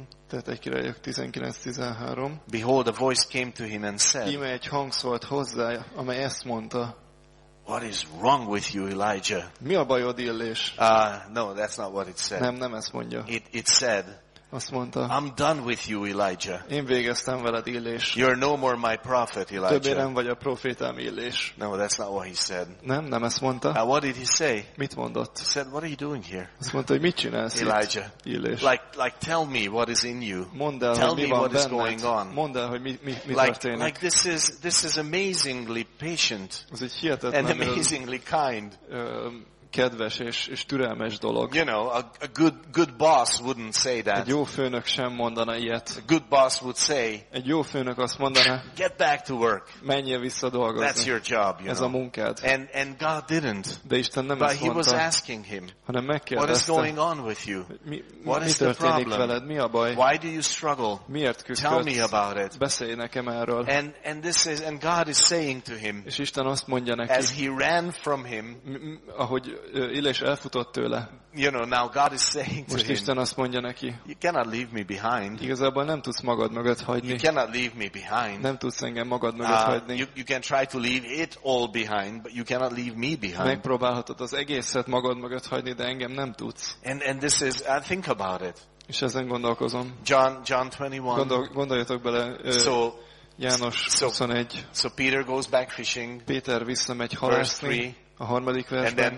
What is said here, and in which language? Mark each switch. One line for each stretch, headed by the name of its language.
English: 1 Kings 19:13. Behold, a voice came to him and said.
Hungarian: Íme egy hang szólt hozzá, amely ezt mondta.
English: What is wrong with you, Elijah?
Hungarian: Mi a bajod, Illés?
English: No, that's not what it said.
Hungarian: Nem ezt mondja.
English: It said.
Hungarian: Azt mondta.
English: I'm done with you, Elijah.
Hungarian: Én végeztem veled, Illés.
English: You're no more my prophet, Elijah.
Hungarian: Többé nem vagy a prófétám, Illés.
English: No, that's not what he said.
Hungarian: Nem ezt mondta.
English: Now, what did he say?
Hungarian: Mit mondott?
English: He said, what are you doing here?
Hungarian: Azt mondta, hogy mit csinálsz,
English: Elijah?
Hungarian: Illés.
English: Like, tell me what is in you.
Hungarian: Mondd el,
English: tell
Hungarian: mi
English: me
Hungarian: van
English: what
Hungarian: benned.
English: Is going on.
Hungarian: Mondd el, hogy mi
English: like,
Hungarian: történik.
English: Like this is amazingly patient.
Hungarian: Ez egy hihetetlen.
English: And amazingly kind.
Hungarian: Kedves és türelmes dolog.
English: You know, a good boss wouldn't say that.
Hungarian: Egy jó főnök sem mondana ilyet.
English: A good boss would say.
Hungarian: Egy jó főnök azt mondana.
English: Get back to work.
Hungarian: Menjél vissza dolgozni.
English: That's your job, you
Hungarian: ez
English: know.
Hungarian: A munkád.
English: And God didn't.
Hungarian: De Isten nem
English: but
Hungarian: ezt mondta.
English: But he was asking him.
Hungarian: Hanem megkérdezte.
English: What is going on with you? What is the problem?
Hungarian: Veled? Mi a baj?
English: Why do you struggle?
Hungarian: Miért küzdesz?
English: Tell me about it.
Hungarian: Beszélj nekem erről.
English: And this is and God is saying to him.
Hungarian: És Isten azt mondja neki.
English: As he ran from him.
Hungarian: Ahogy Illés elfutott tőle.
English: You know, now God is saying
Hungarian: most
English: to him,
Hungarian: Isten azt mondja neki.
English: You cannot leave me behind.
Hungarian: Igazából nem tudsz magad mögött hagyni.
English: You cannot leave me behind.
Hungarian: Nem tudsz engem magad mögött hagyni.
English: You can try to leave it all behind, but you cannot leave me behind.
Hungarian: Megpróbálhatod az egészet magad mögött hagyni, de engem nem tudsz.
English: And this is I think about it.
Hungarian: És ezen gondolkozom.
English: John 21.
Hungarian: Gondoljatok bele. János 21.
English: So Peter goes back fishing.
Hungarian: Péter visszamegy halászni. A harmadik versben,